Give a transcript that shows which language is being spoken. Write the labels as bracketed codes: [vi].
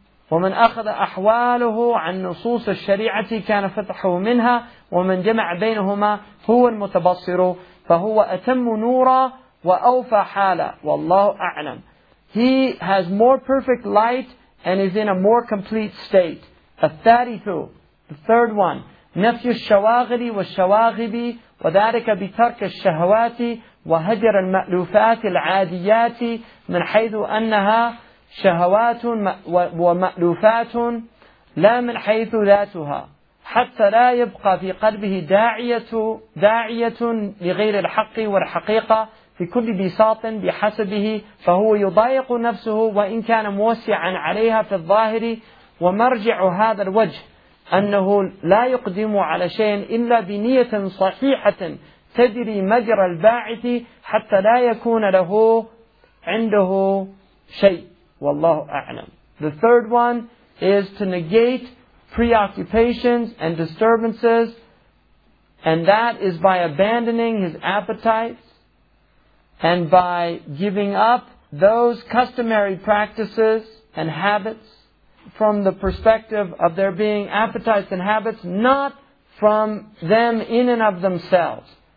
[ar] وَمَنْ أَخَذَ أَحْوَالُهُ عَنْ نُصُوصَ الشَّرِيعَةِ كَانَ فَتْحُهُ مِنْهَا وَمَنْ جَمَعَ بَيْنَهُمَا هُوَ الْمُتَبَصِّرُ فَهُوَ أَتَمُّ نُورًا وَأَوْفَى حَالًا وَاللَّهُ أَعْلَمُ. [en] He has more perfect light and is in a more complete state. [ar] الثالثُ, [en] the third one, [ar] نَفْيُ الشَّوَاغِلِ وَالشَّوَاغِبِ وَذَلِكَ بِتَرْكَ الشَّهَوَاتِ وَهَجَرَ الْمَأْلُوفَاتِ الْعَادِيَاتِ مِنْ حَيْثُ أَنَّهَا شهوات ومألوفات لا من حيث ذاتها حتى لا يبقى في قلبه داعية لغير الحق والحقيقة في كل بساط بحسبه فهو يضايق نفسه وإن كان موسعا عليها في الظاهر ومرجع هذا الوجه أنه لا يقدم على شيء إلا بنية صحيحة تدري مجرى الباعث حتى لا يكون له عنده شيء وَاللَّهُ أَعْلَمُ. [en] The third one is to negate preoccupations and disturbances, and that is by abandoning his appetites and by giving up those customary practices and habits from the perspective of there being appetites and habits, not from them in and of themselves.